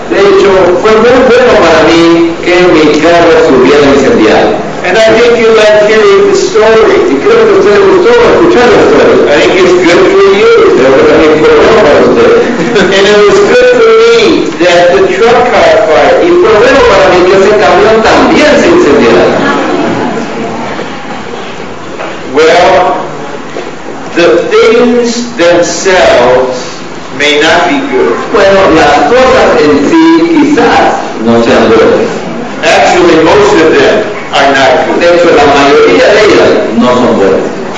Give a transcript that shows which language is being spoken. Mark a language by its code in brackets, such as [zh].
[es] De hecho, fue muy bueno para mí que mi carro estuviera incendiado. [en] And I think you like hearing the story. I think it's good for you. And it was good for me that the truck caught fire. [es] Y fue bueno para mí que ese camión también se incendiara. [en] Well, the things themselves may not be good. [es] Bueno, las cosas en sí quizás no sean buenas. [en] Actually, most of them are not good. [es] De hecho, la mayoría de ellas no son buenas.